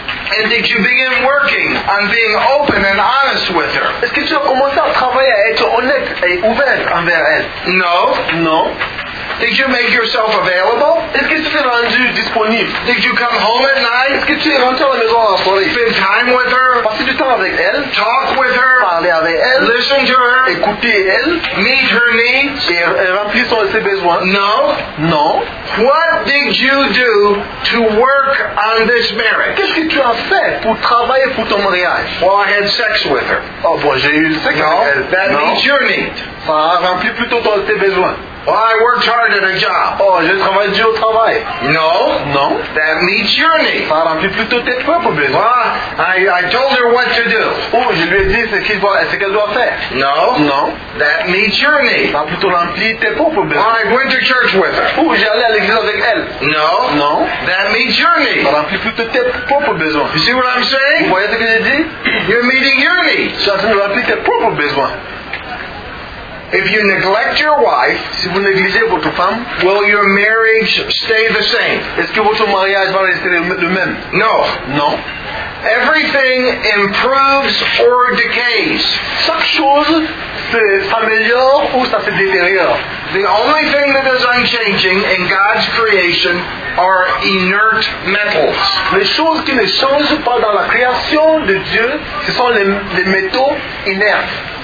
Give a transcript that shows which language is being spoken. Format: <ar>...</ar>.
<en>And did you begin working on being open and honest with her?</en> <fr>Est-ce que tu as commencé à travailler à être honnête et ouvert envers elle?</fr> <en>No. No. Did you make yourself available?</en> <fr>Est-ce que tu t'es rendu disponible?</fr> <en>Did you come home at night?</en> <fr>Est-ce que tu es rentré à la maison la soirée?</fr> <en>Spend time with her?</en> <fr>Passer du temps avec elle?</fr> <en>Talk with her?</en> <fr>Parler avec elle?</fr> <en>Listen to her?</en> <fr>Écouter elle?</fr> <en>Meet her needs?</en> <fr>Et remplir ses besoins?</fr> <en>No. No. What did you do to work on this marriage?</en> <fr>Qu'est-ce que tu as fait pour travailler pour ton mariage?</fr> <en>Well, I had sex with her.</en> <fr>Oh, bon, j'ai eu le sexe avec elle.</fr> <en>That no. Meets your need.</en> <fr>Ça remplit plutôt tes besoins.</fr> <en>Well, I worked hard at a job.</en> <fr>Oh, je travaille dur au travail.</fr> <en>No. No. That meets your need.</en> <fr>Ça remplit plutôt tes propres besoins.</fr> <en>Well, I told her what to do.</en> <fr>Oh, je lui ai dit ce qu'elle doit faire.</fr> <en>No. No. That meets your need.</en> <fr>Ça plutôt remplit tes propres besoins.</fr> <en>Well, I went to church with her.</en> <fr>Oh, j'ai allé à l'église avec elle.</fr> <en>No. No. That meets your need.</en> <fr>Ça remplit plutôt tes propres besoins.</fr> <en>You see what I'm saying?</en> <fr>Vous voyez ce que j'ai dit?</fr> <en>You're meeting your need.</en> <fr>Ça remplit tes propres besoins.</fr> <en>If you neglect your wife,</en> <fr>si vous négligez votre femme,</fr> <en>will your marriage stay the same?</en> <fr>Est-ce que votre mariage va rester le même?</fr> <en>No. No. Everything improves or decays.</en> <fr>Chaque chose s'améliore ou ça se détériore.</fr> <en>The only thing that is unchanging in God's creation are inert metals.</en> <fr>Les choses qui ne changent pas dans la création de Dieu, ce sont les métaux inertes.</fr>